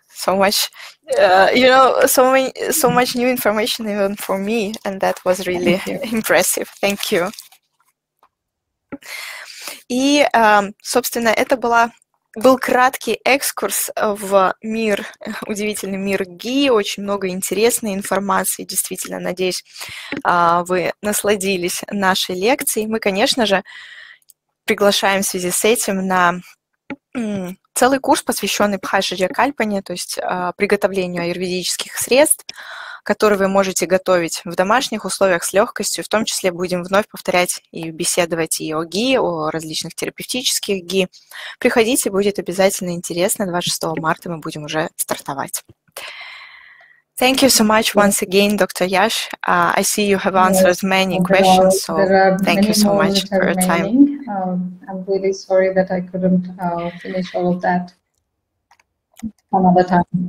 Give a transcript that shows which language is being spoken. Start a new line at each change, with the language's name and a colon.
English: So much, you know, so much new information even for me, and that was really impressive. Thank you.
Russian: И, собственно, это был краткий экскурс в мир, удивительный мир ги, очень много интересной информации, действительно, надеюсь, вы насладились нашей лекцией. Мы, конечно же, приглашаем в связи с этим на целый курс, посвященный Пхашаджакальпане, то есть приготовлению аюрведических средств, которые вы можете готовить в домашних условиях с легкостью. В том числе будем вновь повторять и беседовать и о ги, о различных терапевтических ги. Приходите, будет обязательно интересно. 26 марта мы будем уже стартовать.
English: Thank you so much once again, Dr. Yash. I see you have answered many questions, so thank you so much for your time. I'm really sorry that I couldn't finish all of that another time.